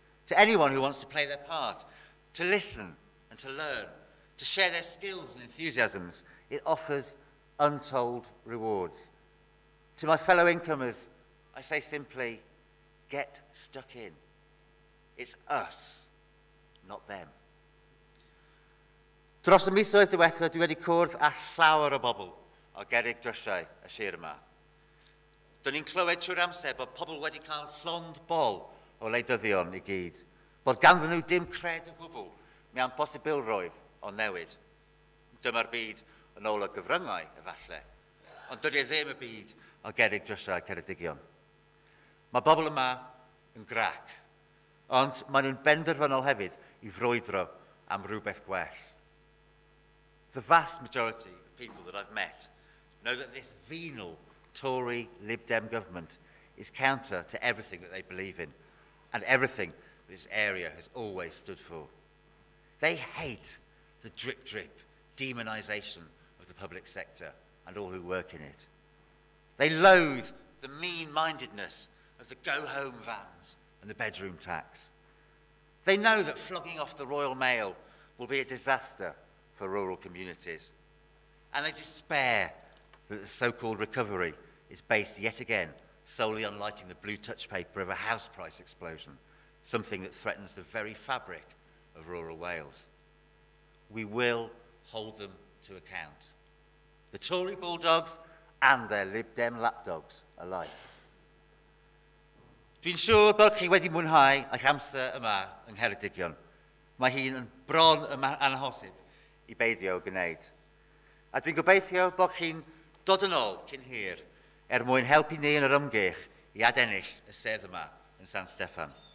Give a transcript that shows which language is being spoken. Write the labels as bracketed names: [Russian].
[English] To anyone who wants to play their part, to listen and to learn, to share their skills and enthusiasms, it offers untold rewards. To my fellow incomers, I say simply, get stuck in. It's us, not them. [Welsh] Dros y misoedd diwethaf, dwi wedi cwrdd â llawer o bobl o gerig drysiau y sir yma. Do'n i'n clywed trwy'r amser bod pobl wedi cael llond bol o leidyddion i gyd, bod ganddyn nhw dim cred o gwbl mewn posibilrwydd o newid. Dyma'r byd yn ôl o gyfryngau, efallai, ond dydy e ddim y byd o gerig drysiau Ceredigion. Mae bobl yma yn grac, ond maen nhw'n benderfynol hefyd i frwydro am rhywbeth gwell. [English] The vast majority of people that I've met know that this venal Tory Lib Dem government is counter to everything that they believe in and everything this area has always stood for. They hate the drip-drip demonisation of the public sector and all who work in it. They loathe the mean-mindedness of the go-home vans and the bedroom tax. They know that flogging off the Royal Mail will be a disaster for rural communities. And they despair that the so-called recovery is based yet again solely on lighting the blue touch paper of a house price explosion, something that threatens the very fabric of rural Wales. We will hold them to account. The Tory bulldogs and their Lib Dem lapdogs alike. [Welsh] Dwi'n siŵr bod chi wedi mwynhau eich amser yma yng Ngheredigion. Mae hi'n bron anhosib I beidio gwneud. A dwi'n gobeithio bod chi'n dod yn ôl cyn hir er mwyn helpu ni yn yr ymgyrch I adennill y sedd yma yn San Steffan.